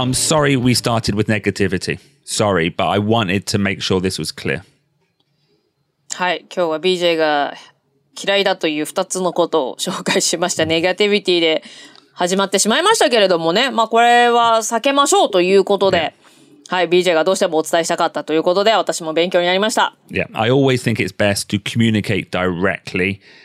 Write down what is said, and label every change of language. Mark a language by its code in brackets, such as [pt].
[en] I'm sorry we started with negativity Sorry, but I wanted to make sure this was clear [ja] はい、今日は BJ が嫌いだという2つのことを紹介しましたネガティビティで始まってしまいましたけれどもね、まあ、これは避けましょうということで、yeah. はい、BJ がどうしてもお伝えしたかったということで、私も勉強になりました。 [en] Yeah, I always think it's best to communicate directly.